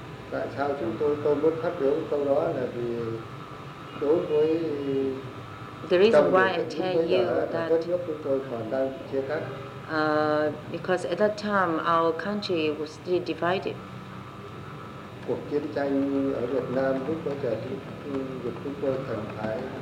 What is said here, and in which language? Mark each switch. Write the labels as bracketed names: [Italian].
[Vietnamese] Tại sao chúng tôi muốn phát biểu câu đó là vì đối với [English] the reason why I tell you that [Vietnamese] đất nước chúng tôi còn đang chia cắt. [English] Because at that time our country was still divided. [Vietnamese] Cuộc chiến tranh ở Việt Nam lúc bấy giờ chúng tôi cần phải